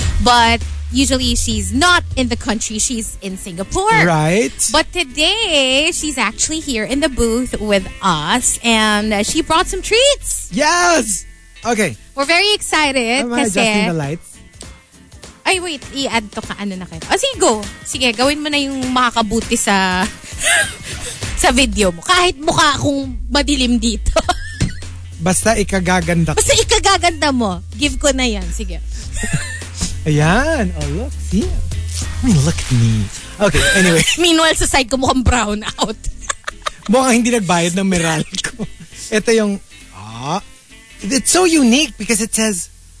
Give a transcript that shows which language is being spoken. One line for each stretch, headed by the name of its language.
English: But usually she's not in the country. She's in Singapore. Right. But today she's actually here in the booth with us and she brought some treats. Yes. Okay. We're very excited. I'm adjusting the lights.
Filipino: Ay, wait. I-add to ka. Ano na kayo? Oh, sige, go. Sige, gawin mo na yung makakabuti sa sa video mo. Kahit mukha akong madilim dito. Basta ikagaganda ko. Basta ikagaganda mo.
English: Give ko na yan.
Filipino: Sige.
English: Ayan. Oh, look. See? I mean, look at me. Okay, anyway.
Filipino: Meanwhile, sa side ko mukhang brown out. Mukhang hindi nagbayad ng Meralco. Ito yung... Ah.
English: It's so unique because it says...